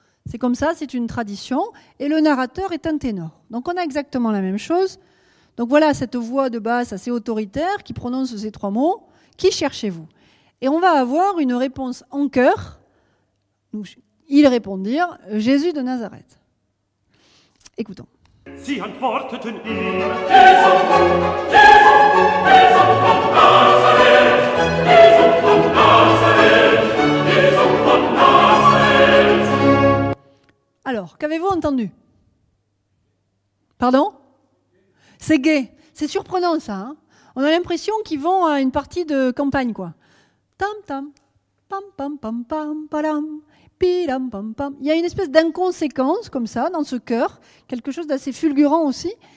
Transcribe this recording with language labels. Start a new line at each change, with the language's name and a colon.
French: C'est comme ça, c'est une tradition, et le narrateur est un ténor. Donc on a exactement la même chose. Donc voilà cette voix de basse assez autoritaire qui prononce ces trois mots. Qui cherchez-vous? Et on va avoir une réponse en chœur. Ils répondirent, Jésus de Nazareth. Écoutons.
German: Sie antworteten ihm, Jésus, Jésus, Jésus von Nazareth, Jésus von Nazareth, Jésus von Nazareth.
French: Alors, qu'avez-vous entendu? Pardon? C'est gay. C'est surprenant, ça. On a l'impression qu'ils vont à une partie de campagne. Tam, tam, pam, pam, pam, pam, param, piram, pam, pam. Il y a une espèce d'inconséquence, comme ça, dans ce chœur. Quelque chose d'assez fulgurant aussi.